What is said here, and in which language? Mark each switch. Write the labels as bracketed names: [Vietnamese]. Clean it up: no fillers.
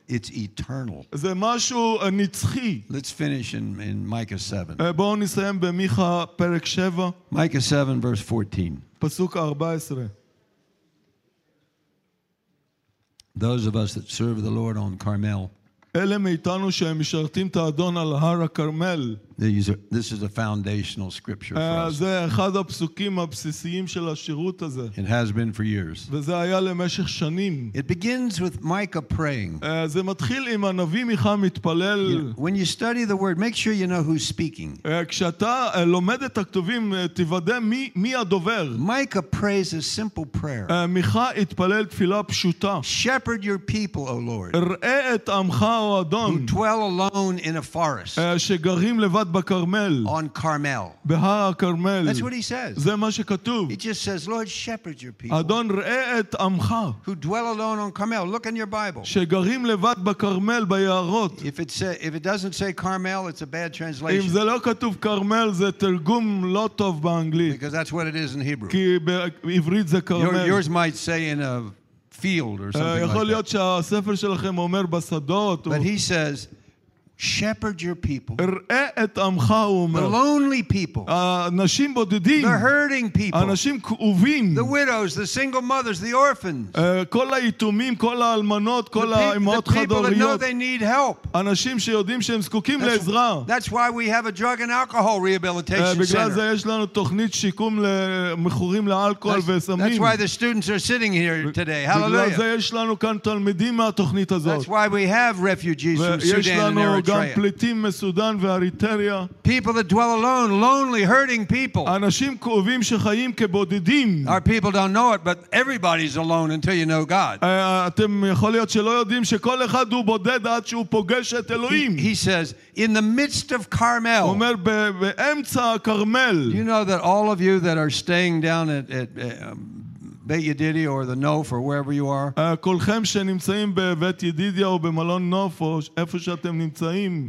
[English] It's eternal. [Hebrew] זה משהו נצחי. [English] Let's finish in Micah 7. [Hebrew] בואו נסיים במיכה פרק 7. [English] Micah 7, verse 14. [Hebrew] פסוק 14. [English] Those of us that serve the Lord on Carmel. [Hebrew] אלה מאיתנו שמשרתים את האדון על הר הכרמל. [English] This is a foundational scripture for us. [Hebrew] זה אחד הפסוקים הבסיסיים של השירות הזה. [English] It has been for years. [Hebrew] וזה היה למשך שנים. [English] It begins with Micah praying. [Hebrew] זה מתחיל עם הנביא מיכה מתפלל. [English] When you study the word, make sure you know who's speaking. [Hebrew] כשאתה לומד את הכתובים, תוודא מי הדובר. [English] Micah prays a simple prayer. [Hebrew] מיכה התפלל תפילה פשוטה. [English] Shepherd your people, O Lord. [Hebrew] ראה את עמך או אדון. [English] Who dwell alone in a forest. [Hebrew] שגרים [English] On Carmel. That's what he says. [Hebrew] זה מה שכתוב. [English] He just says, Lord, shepherd your people. [Hebrew] אדון ראה את עמך. [English] Who dwell alone on Carmel. Look in your Bible. [Hebrew] שגרים לבד בקרמל, ביערות. [English] If it doesn't say Carmel, it's a bad translation. [Hebrew] אם זה לא כתוב קרמל, זה תרגום לא טוב באנגלית. [English] Because that's what it is in Hebrew. [Hebrew] כי בעברית זה קרמל. [English] Yours might say in a field or something like that. [Hebrew] יכול להיות שהספר שלכם אומר בשדות. [English] But he says, Shepherd your people. [Hebrew] ראה את עמך, הוא אומר. [English] The lonely people. [Hebrew] אנשים בודדים. [English] The hurting people. [Hebrew] אנשים כאובים. [English] The widows, the single mothers, the orphans. [Hebrew] כל היתומים, כל האלמנות, כל האמהות חד-הוריות. [English] The people that know they need help. [Hebrew] אנשים שיודעים שהם זקוקים לעזרה. [English] That's why we have a drug and alcohol rehabilitation center. [Hebrew] בגלל זה יש לנו תוכנית שיקום למכורים לאלכוהול וסמים. [English] That's why the students are sitting here today. Hallelujah. [Hebrew] בגלל זה יש לנו כאן תלמידים מהתוכנית הזאת. [English] That's why we have refugees from Sudan and Eritrea. [Hebrew] גם פליטים מסודן ואריתריה. [English] People that dwell alone, lonely, hurting people. [Hebrew] אנשים כאובים שחיים כבודדים. [English] Our people don't know it, but everybody's alone until you know God. [Hebrew] אתם יכול להיות שלא יודעים שכל אחד הוא בודד עד שהוא פוגש את אלוהים. [English] He says, in the midst of Carmel. [Hebrew] הוא אומר באמצע הכרמל. [English] You know that all of you that are staying down at בית ידידי or the Nof or wherever you are. [Hebrew] כולכם שנמצאים בבית ידידיה או במלון נוף או איפה שאתם נמצאים.